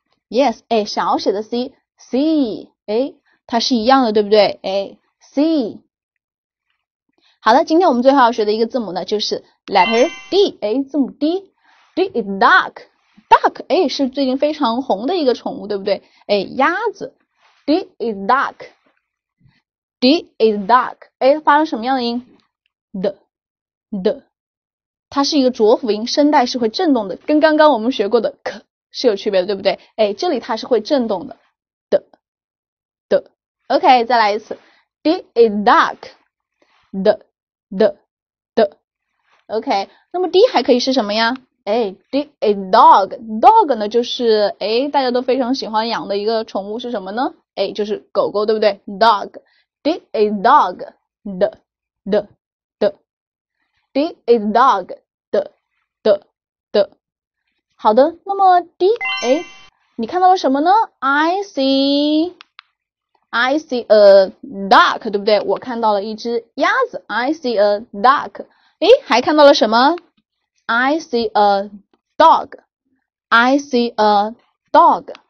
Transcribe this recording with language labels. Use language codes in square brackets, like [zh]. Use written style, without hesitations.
[zh] C，yes，哎，小写的 C，C，哎，它是一样的，对不对？哎，C。好了，今天我们最后要学的一个字母呢，就是 letter D，哎，字母 D。 [en] D is duck， [zh] duck，哎，是最近非常红的一个宠物，对不对？哎，鸭子。 [en] D is duck，D is duck， [zh] 哎，发生什么样的音？D，D。它是一个浊辅音，声带是会震动的，跟刚刚我们学过的 k 是有区别的，对不对？哎，这里它是会震动的，OK，再来一次， [en] D is duck， [zh] 的，OK。那么 D 还可以是什么呀？哎， [en] D is dog， [zh] dog 呢就是哎大家都非常喜欢养的一个宠物是什么呢？哎，就是狗狗，对不对？ [en] Dog，D is dog， [zh] 的，D is dog。好的，那么 D，哎，你看到了什么呢？ [en] I see a duck， [zh] 对不对？我看到了一只鸭子。 [en] I see a duck， [zh] 哎，还看到了什么？ [en] I see a dog，I see a dog，yes。